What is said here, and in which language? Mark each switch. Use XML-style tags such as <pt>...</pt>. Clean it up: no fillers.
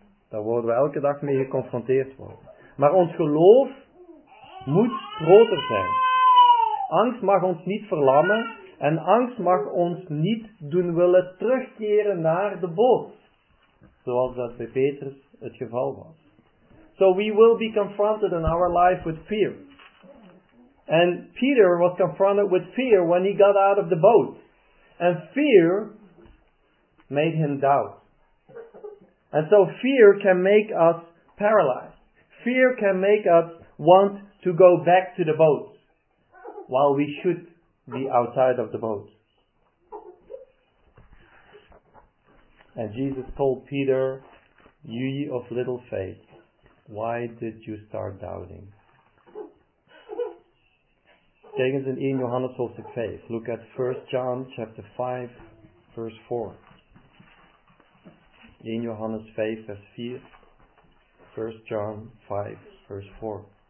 <nl>Daar worden we elke dag mee geconfronteerd worden. Maar ons geloof moet groter zijn. Angst mag ons niet verlammen. En angst mag ons niet doen willen terugkeren naar de boot. Zoals dat bij Petrus het geval was.</nl> <en>So we will be confronted in our life with fear. And Peter was confronted with fear when he got out of the boat. And fear made him doubt. And so fear can make us paralyzed. Fear can make us want to go back to the boat while we should be outside of the boat. And Jesus told Peter, you ye of little faith, why did you start doubting?</en> <nl>Tegens in 1 Johannes hoofdstuk 5.</nl> <en>Look at 1 John chapter 5, verse 4.</en> <nl>In Johannes 5, vers 4. 1 John 5, vers 4.</nl>